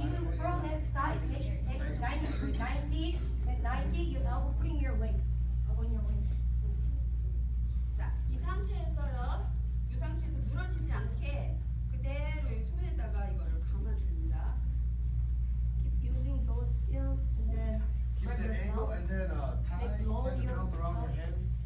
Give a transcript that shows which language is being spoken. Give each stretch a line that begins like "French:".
English: Even from that side, make 90 your elbow, bring your waist. Up on your waist.
Korean: 자, 이 상태에서요. 상체에서 늘어지지 않게 그대로 손에다가 이거를 감아줍니다.
English: Keep using those skills and then keep the angle belt. And then tie the belt around your hand.